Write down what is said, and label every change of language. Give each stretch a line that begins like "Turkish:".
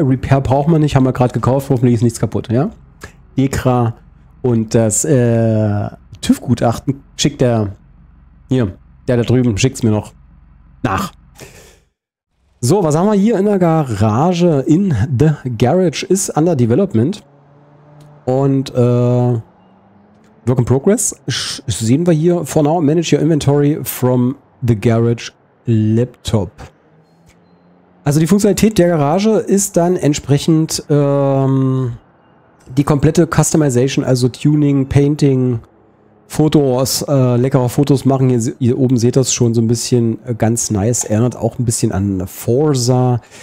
German: Repair braucht man nicht. Haben wir gerade gekauft. Hoffentlich ist nichts kaputt. Ja. Dekra und das TÜV-Gutachten schickt der hier. Der da drüben schickt es mir noch nach. So, was haben wir hier in der Garage?
English: In the Garage ist under development. Und Work in Progress
German: sehen wir hier.
English: For now, manage your inventory from the Garage Laptop.
German: Also die Funktionalität der Garage ist dann entsprechend die komplette Customization, also Tuning, Painting, Fotos, leckere Fotos machen. Hier oben seht ihr das schon so ein bisschen ganz nice. Erinnert auch ein bisschen an Forza.